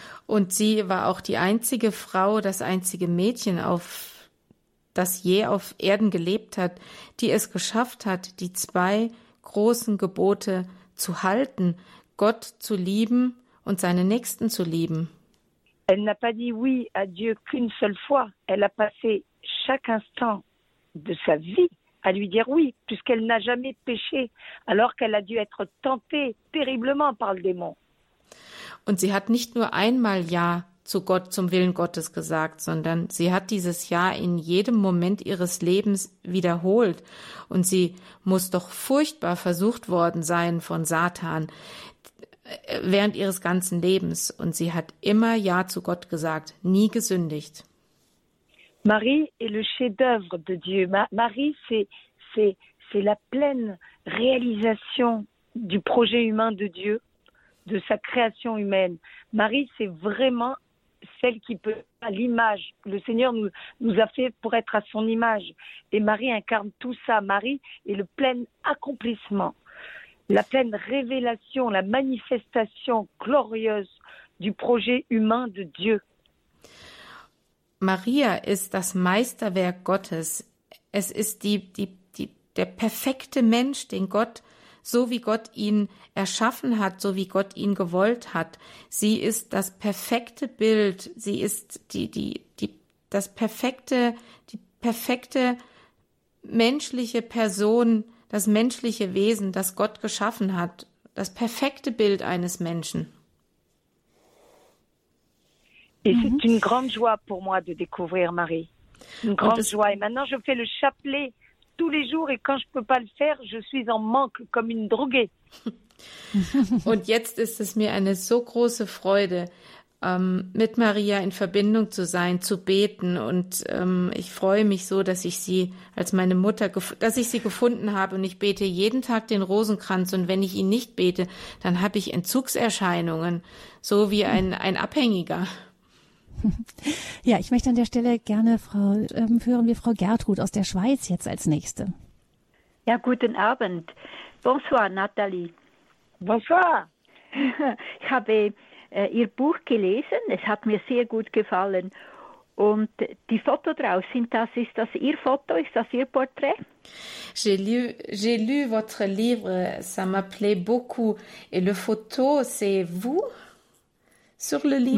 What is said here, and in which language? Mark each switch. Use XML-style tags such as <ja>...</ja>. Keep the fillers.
<de>Und sie war auch die einzige Frau, das einzige Mädchen auf das je auf Erden gelebt hat, die es geschafft hat, die zwei großen Gebote zu halten, Gott zu lieben und seine Nächsten zu lieben.</de> <fr>Elle n'a pas dit oui à Dieu qu'une seule fois. Elle a passé chaque instant de sa vie à lui dire oui, puisqu'elle n'a jamais péché, alors qu'elle a dû être tentée terriblement par le démon.</fr> <de>Und sie hat nicht nur einmal Ja zu Gott, zum Willen Gottes gesagt, sondern sie hat dieses Ja in jedem Moment ihres Lebens wiederholt. Und sie muss doch furchtbar versucht worden sein von Satan äh, während ihres ganzen Lebens. Und sie hat immer Ja zu Gott gesagt, nie gesündigt.</de> <fr>Marie est le chef-d'œuvre de Dieu. Ma- Marie, c'est, c'est, c'est la pleine réalisation du projet humain de Dieu, de sa création humaine. Marie, c'est vraiment celle qui peut à l'image. Le Seigneur nous, nous a fait pour être à son image. Et Marie incarne tout ça. Marie est le plein accomplissement, la pleine révélation, la manifestation glorieuse du projet humain de Dieu.</fr> <de>Maria ist das Meisterwerk Gottes. Es ist die, die, die, der perfekte Mensch, den Gott, so wie Gott ihn erschaffen hat, so wie Gott ihn gewollt hat. Sie ist das perfekte Bild. Sie ist die, die, die, das perfekte, die perfekte menschliche Person, das menschliche Wesen, das Gott geschaffen hat. Das perfekte Bild eines Menschen.</de> <fr>Et c'est une grande joie pour moi de découvrir Marie. Une grande de- joie. Et maintenant, je fais le chapelet tous les jours et quand je peux pas le faire, je suis en manque comme une droguée.</fr> <de>Und jetzt ist es mir eine so große Freude, ähm, mit Maria in Verbindung zu sein, zu beten. Und ähm, ich freue mich so, dass ich sie als meine Mutter, dass ich sie gefunden habe. Und ich bete jeden Tag den Rosenkranz. Und wenn ich ihn nicht bete, dann habe ich Entzugserscheinungen, so wie ein, ein Abhängiger. Ja, ich möchte an der Stelle gerne Frau, ähm, hören wir Frau Gertrud aus der Schweiz jetzt als Nächste. Ja, guten Abend. Bonsoir, Nathalie.</de> <fr>Bonsoir.</fr> <de>Ich habe äh, Ihr Buch gelesen. Es hat mir sehr gut gefallen. Und die Fotos draus, sind das, ist das Ihr Foto, ist das Ihr Porträt?</de> <fr>J'ai lu, j'ai lu votre livre, ça m'a plu beaucoup. Et le photo, c'est vous sur le livre?</fr>